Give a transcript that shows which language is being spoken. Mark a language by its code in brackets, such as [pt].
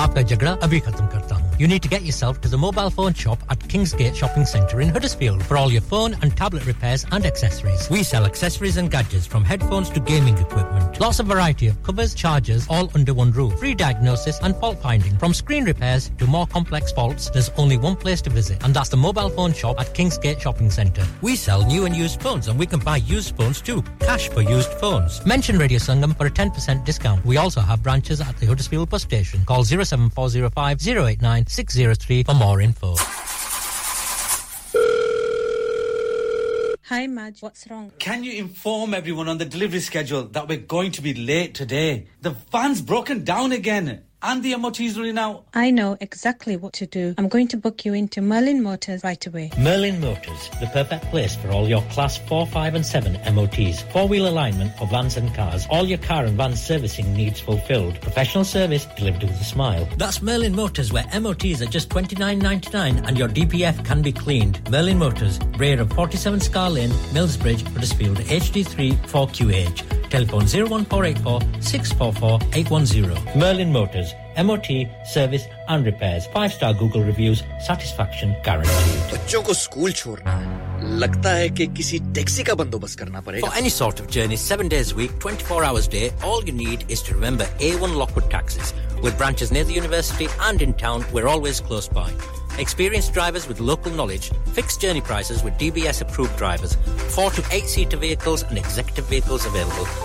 [hi] आपका झगड़ा अभी खत्म करता हूं [en] You need to get yourself to the mobile phone shop at Kingsgate shopping centre in Huddersfield for all your phone and tablet repairs and accessories we sell accessories and gadgets from headphones to gaming equipment lots of variety of covers chargers all under one roof free diagnosis and fault finding from screen repairs to more complex faults there is only one place to visit and that's the mobile phone shop at Kingsgate shopping centre we sell new and used phones and we can buy used phones too. Cash for used phones. Mention Radio Sangam for a 10% discount. We also have branches at the Huddersfield bus station. Call 07405 089 603 for more info. Hi Madge, what's wrong? Can you inform everyone on the delivery schedule that we're going to be late today? The van's broken down again. And the MOT's running out. I know exactly what to do. I'm going to book you into Merlin Motors right away. Merlin Motors, the perfect place for all your Class 4, 5 and 7 MOTs. Four-wheel alignment for vans and cars. All your car and van servicing needs fulfilled. Professional service delivered with a smile. That's Merlin Motors, where MOTs are just £29.99 and your DPF can be cleaned. Merlin Motors, rear of 47 Scar Lane, Millsbridge, Huddersfield, HD3, 4QH. Telephone 01484 644 810. Merlin Motors. MOT, service and repairs. 5-star Google reviews. Satisfaction guaranteed. [hi] बच्चों को school छोड़ना है. लगता है कि किसी taxi का बंदोबस्त करना पड़ेगा. [en] For any sort of journey, 7 days a week, 24 hours a day, all you need is to remember A1 Lockwood Taxis. With branches near the university and in town, we're always close by. Experienced drivers with local knowledge, fixed journey prices with DBS-approved drivers, 4 to 8-seater vehicles and executive vehicles available.